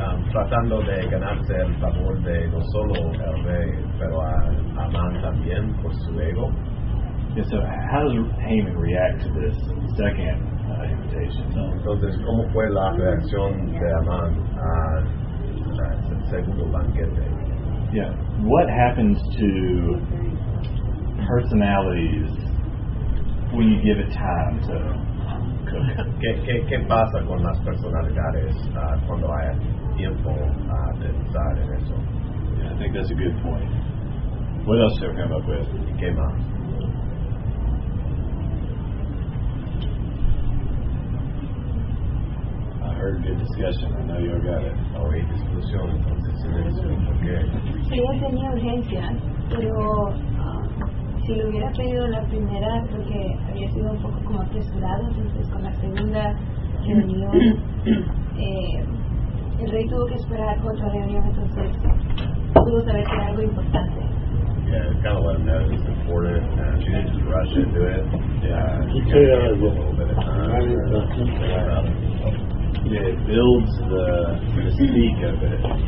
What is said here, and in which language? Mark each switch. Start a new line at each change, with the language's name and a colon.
Spanish: Tratando de ganarse el favor de no solo el rey, pero a Amán también por su ego.
English: Yeah, so how does Haman react to this second invitation?
Spanish: Entonces, ¿cómo fue la reacción de Amán al segundo banquete?
English: Yeah, what happens to personalities when you give it time to cook?
Spanish: ¿Qué pasa con las personalidades cuando hay tiempo de pensar en eso?
English: Yeah, I think that's a good point. What else did we come up with?
Spanish: ¿Qué más?
English: Heard good discussion. I know you all got it. Oh, hey, discussion.
Spanish: Entonces, silencio.
English: Okay.
Spanish: Ella tenía urgencia, pero si le hubiera pedido la primera, creo que había sido un poco como apresurado. Entonces, con la segunda reunión, el rey tuvo que esperar otra reunión. Entonces, pudo saber que era algo importante.
English: Yeah, got to let him know it's important. She didn't just rush into it. Yeah, she took a little bit of time. Yeah, it builds the mystique of it.